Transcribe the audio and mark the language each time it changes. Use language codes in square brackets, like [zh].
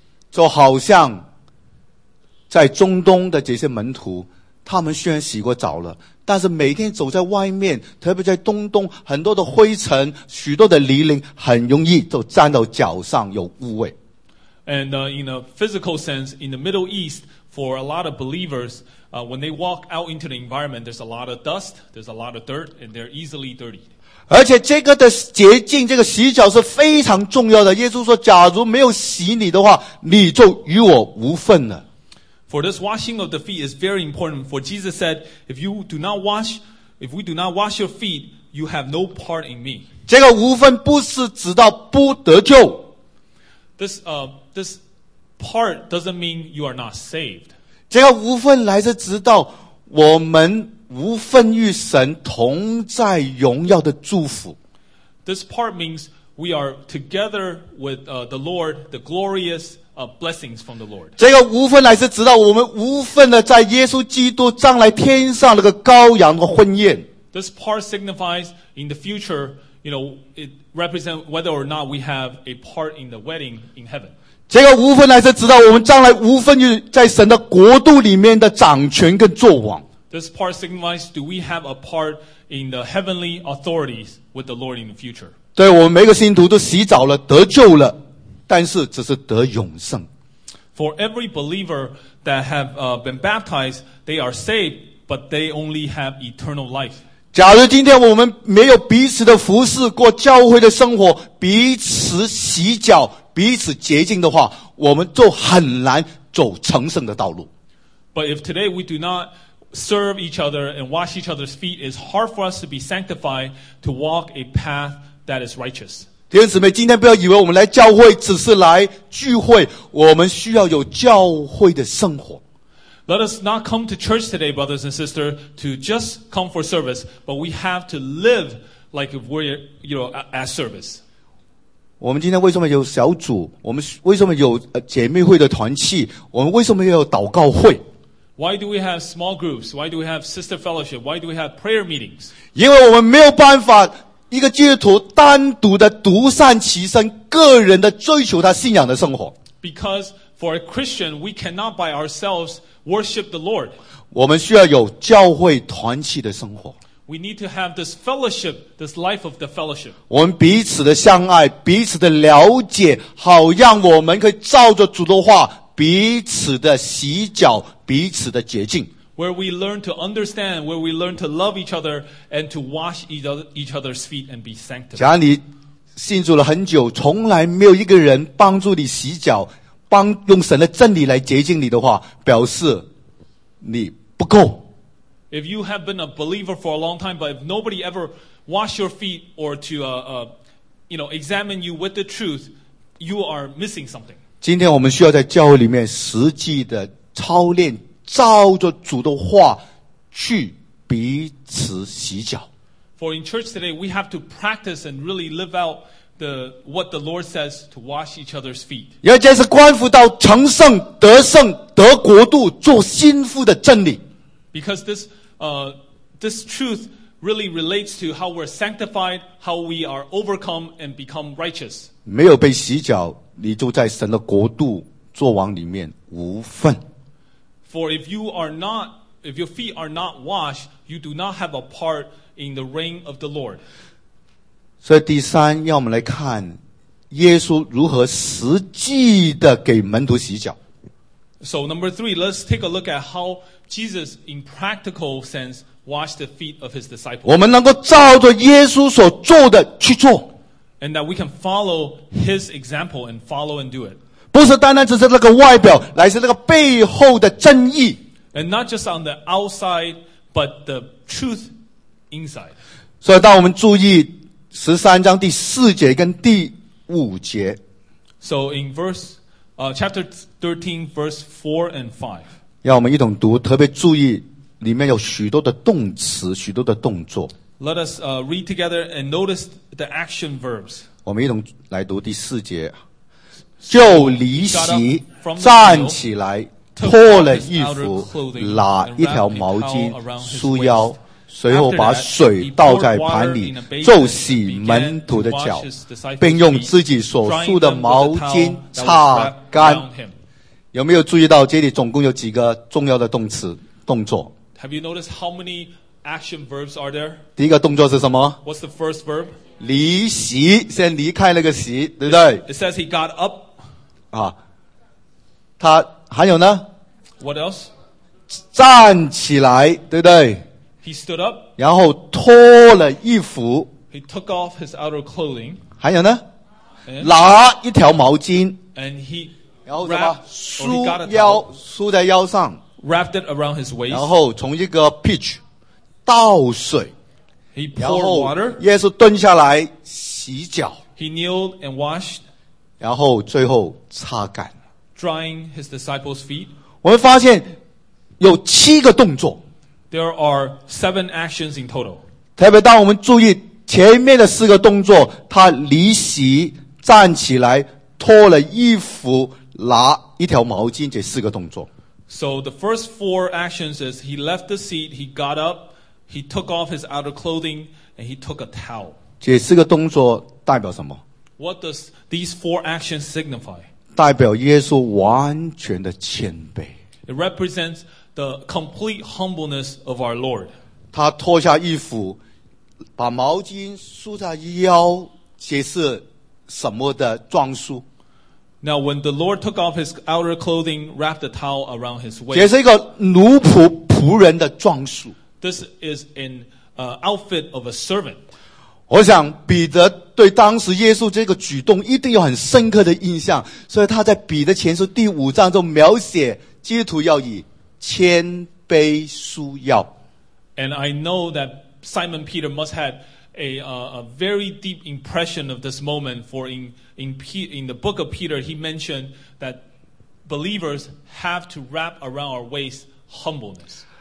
[zh] 就好像在中东的这些门徒他们虽然洗过澡了但是每天走在外面特别在东东很多的灰尘许多的泥泞很容易就沾到脚上有污味 [en] And in a physical sense in the Middle East for a lot of believers when they walk out into the environment there's a lot of dust there's a lot of dirt and they're easily dirty [zh] 而且这个的洁净这个洗脚是非常重要的耶稣说假如没有洗你的话你就与我无份了 [en] For this washing of the feet is very important. For Jesus said, if we do not wash your feet, you have no part in me. [zh] 这个无分不是指到不得救。 [en] This part doesn't mean you are not saved. [zh] 这个无分来自指到我们无分与神同在荣耀的祝福。 [en] This part means we are together with the Lord, the glorious,blessings from the Lord. [zh] 这个无分乃是直到我们无分的在耶稣基督将来天上那个羔羊的婚宴。 [en] This part signifies in the future, you know, it represents whether or not we have a part in the wedding in heaven. [zh] 这个无分乃是直到我们将来无分于在神的国度里面的掌权跟作王。 [en] This part signifies do we have a part in the heavenly authorities with the Lord in the future. [zh] 对我们每个信徒都洗澡了得救了但是只是得永生。 [en] For every believer that have been baptized, they are saved, but they only have eternal life. [zh] 假如今天我们没有彼此的服侍过教会的生活，彼此洗脚，彼此洁净的话，我们就很难走成圣的道路。 [en] But if today we do not serve each other and wash each other's feet, it's hard for us to be sanctified to walk a path that is righteous. [zh] 弟兄姊妹今天不要以为我们来教会只是来聚会我们需要有教会的生活 [en] Let us not come to church today brothers and sisters to just come for service but we have to live like if we're you know, at service [zh] 我们今天为什么有小组我们为什么有姐妹会的团契我们为什么有祷告会 [en] Why do we have small groups? Why do we have sister fellowship? Why do we have prayer meetings? [zh] 因为我们没有办法一个基督徒单独的独善其身个人的追求他信仰的生活 [en] Because for a Christian we cannot by ourselves worship the Lord [zh] 我们需要有教会团契的生活 [en] We need to have this fellowship this life of the fellowship [zh] 我们彼此的相爱彼此的了解好让我们可以照着主的话彼此的洗脚彼此的洁净 [en] where we learn to understand, where we learn to love each other and to wash each other's feet and be sanctified. [zh] 假如你信主了很久，从来没有一个人帮助你洗脚，帮用神的真理来洁净你的话，表示你不够。 [en] If you have been a believer for a long time, but if nobody ever wash your feet or to you know, examine you with the truth, you are missing something. [zh] 今天我们需要在教会里面实际的操练，照着主的话去彼此洗脚。 [en] For in church today, we have to practice and really live out what the Lord says to wash each other's feet. [zh] 要这是关乎到成圣、得圣、得国度、做心腹的真理。 [en] Because this truth really relates to how we're sanctified, how we are overcome and become righteous. [zh] 没有被洗脚，你就在神的国度作王里面无份。 [en] For if your feet are not washed, you do not have a part in the reign of the Lord. [zh] 所以第三，要我们来看耶稣如何实际的给门徒洗脚。 [en] So number three, let's take a look at how Jesus, in practical sense, washed the feet of his disciples. [zh] 我们能够照着耶稣所做的去做。 [en] And that we can follow his example and follow and do it. [zh] 不是单单只是那个外表，乃是那个背后的真意。 [en] And not just on the outside, but the truth inside. [zh] 所以当我们注意十三章第四节跟第五节。 [en] So in chapter 13, verse 4 and 5. [zh] 让我们一同读，特别注意里面有许多的动词，许多的动作。 [en] Let us read together and notice the action verbs. [zh] 我们一同来读第四节。就离席，站起来，脱了衣服，拿一条毛巾束腰，随后把水倒在盘里，就洗门徒的脚，并用自己所束的毛巾擦干。有没有注意到这里总共有几个重要的动词动作？ [en] Have you noticed how many action verbs are there? [zh] 第一个动作是什么？ [en] What's the first verb? [zh] 离席，先离开那个席，对不对？ [en] It says he got up. [zh] 啊，他还有呢？ [en] What else? [zh] 站起来，对不对？ [en] He stood up. [zh] 然后脱了衣服。 [en] He took off his outer clothing. [zh] 还有呢？ [en] And? [zh] 拿一条毛巾。 [en] And he [zh] 然后什么？束腰，束在腰上。 [en] Wrapped it around his waist. [zh] 然后从一个 pitch 倒水。 [en] He poured water. [zh] 耶稣蹲下来洗脚。 [en] He kneeled and washed. [zh] 然后最后擦干。 [en] Drying his disciples' feet. [zh] 我们发现有七个动作。 [en] There are seven actions in total. [zh] 特别当我们注意前面的四个动作，他离席、站起来、脱了衣服、拿一条毛巾这四个动作。 [en] So the first four actions is he left the seat, he got up, he took off his outer clothing, and he took a towel. [zh] 这四个动作代表什么？ [en] What does these four actions signify? [zh] 代表耶稣完全的谦卑。 [en] It represents the complete humbleness of our Lord. [zh] 他脱下衣服，把毛巾束在腰，这是什么的装束？ [en] Now when the Lord took off his outer clothing, wrapped a towel around his waist. [zh] 这是一个奴仆仆人的装束。 [en] This is an outfit of a servant. [zh] 我想彼得对当时耶稣这个举动一定有很深刻的印象，所以他在彼得前书第五章中描写基督徒要以谦卑束腰。 [en] And I know that Simon Peter must have a very deep impression of this moment, for in the book of Peter, he mentioned that believers have to wrap around our waist humbleness.